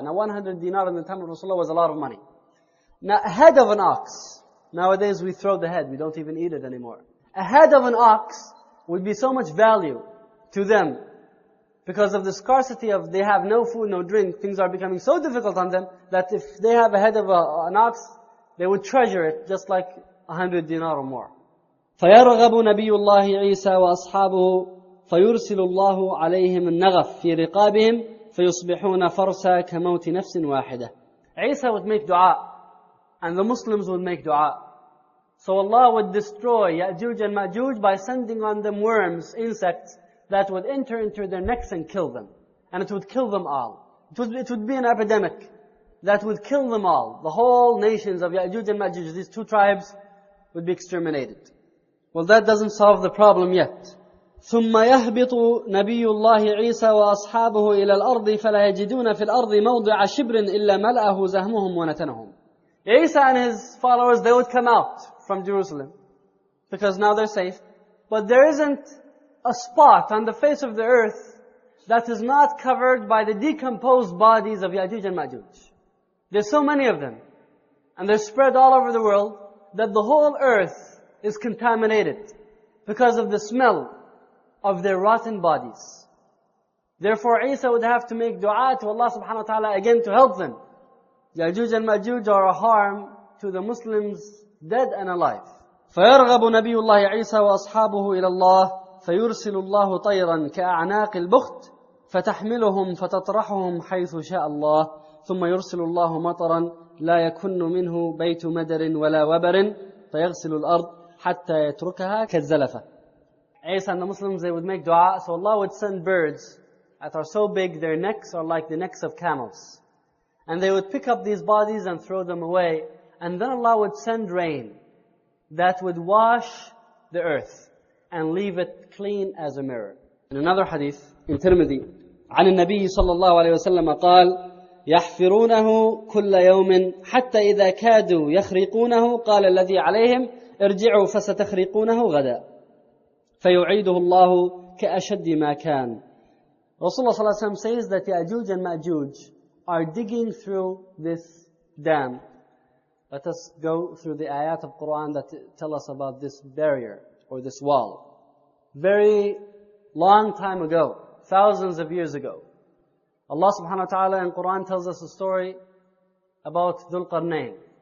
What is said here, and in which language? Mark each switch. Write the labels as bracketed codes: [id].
[en] Now 100 dinar in the time of Rasulullah was a lot of money. Now a head of an ox, nowadays we throw the head, we don't even eat it anymore. A head of an ox would be so much value to them because of the scarcity of they have no food, no drink, things are becoming so difficult on them that if they have a head of an ox, they would treasure it just like 100 dinar or more. [ar] فَيَرْغَبُ نَبِيُّ اللَّهِ عِيسَى وَأَصْحَابُهُ فَيُرْسِلُ اللَّهُ عَلَيْهِمُ النَّغَفِ فِي رِقَابِهِمْ فَيُصْبِحُونَ فَرْسَى كَمَوْتِ نَفْسٍ وَاحِدَةٍ [en] Isa would make dua, and the Muslims would make dua. So Allah would destroy Ya'juj and Ma'juj by sending on them worms, insects, that would enter into their necks and kill them. And it would kill them all. It would be an epidemic that would kill them all. The whole nations of Ya'juj and Ma'juj, these two tribes, would be exterminated. Well, that doesn't solve the problem yet. [ar] ثُمَّ يَهْبِطُ نَبِيُّ اللَّهِ عِيسَى وَأَصْحَابُهُ إِلَى الْأَرْضِ فَلَا يَجِدُونَ فِي الْأَرْضِ مَوْضِعَ شِبْرٍ إِلَّا مَلْأَهُ زَهْمُهُمْ وَنَتَنَهُمْ [en] Isa and his followers, they would come out from Jerusalem because now they're safe. But there isn't a spot on the face of the earth that is not covered by the decomposed bodies of Ya'juj and Ma'juj. There's so many of them and they're spread all over the world that the whole earth is contaminated because of the smell of their rotten bodies. Therefore, Isa would have to make dua to Allah subhanahu wa ta'ala again to help them. Ya'juj and Ma'juj are a harm to the Muslims, dead and alive. [ar] فَيَرْغَبُ نَبِيُّ اللَّهِ عِيسَى وَأَصْحَابُهُ إِلَى اللَّهِ فَيُرْسِلُ اللَّهُ طَيْرًا كَأَعْنَاقِ الْبُخْتِ فَتَحْمِلُهُمْ فَتَطْرَحُهُمْ حَيْثُ شَاءَ اللَّهِ ثُمَّ يُرْسِلُ اللَّهُ مَطَرًا لَا يَكُنُّ مِنْهُ بَيْتُ مَدَرٍ وَلَا وَبَرٍ فَيَغْسِلُ الْأَرْضِ حَتَّى يَتْرُكَهَا كَالزَّلَفَةِ [en] Isa and the Muslims, they would make dua. So Allah would send birds that are so big, their necks are like the necks of camels. And they would pick up these bodies and throw them away. And then Allah would send rain that would wash the earth and leave it clean as a mirror. In another hadith, in Tirmidhi, [ar] عن النبي صلى الله عليه وسلم قال يحفرونه كل يوم حتى إذا كادوا يخرقونه قال الذي عليهم ارجعوا فستخرقونه غدا فيعيده الله كأشد ما كان. [en] Rasulullah صلى الله عليه وسلم says that Ya'juj and Ma'juj are digging through this dam. Let us go through the ayat of Quran that tell us about this barrier or this wall. Very long time ago, thousands of years ago, Allah subhanahu wa ta'ala in Quran tells us a story about Dhul Qarnayn.